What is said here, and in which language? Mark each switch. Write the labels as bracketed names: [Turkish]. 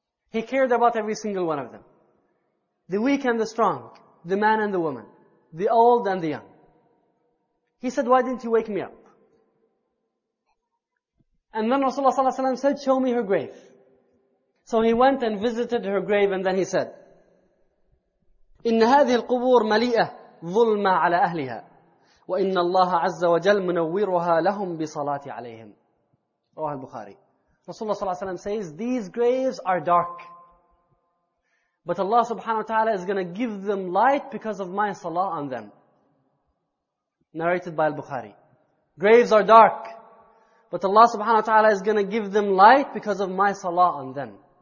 [English] He cared about every single one of them. The weak and the strong, the man and the woman, the old and the young. He said, why didn't you wake me up? And then Rasulullah ﷺ said, show me her grave. [Arabic] So he went and visited her grave and then he said, إِنَّ هَذِهِ الْقُبُورِ مَلِيئَةِ ظُلْمَ عَلَىٰ أَهْلِهَا وَإِنَّ اللَّهَ عَزَّ وَجَلْ مُنَوِّرُهَا لَهُمْ بِصَلَاتِ عَلَيْهِمْ. رواه البخاري. [English] Rasulullah ﷺ says, these graves are dark. But Allah subhanahu wa ta'ala is going to give them light because of my salah on them. Narrated by al-Bukhari. Graves are dark. But Allah subhanahu wa ta'ala is going to give them light because of my salah on them.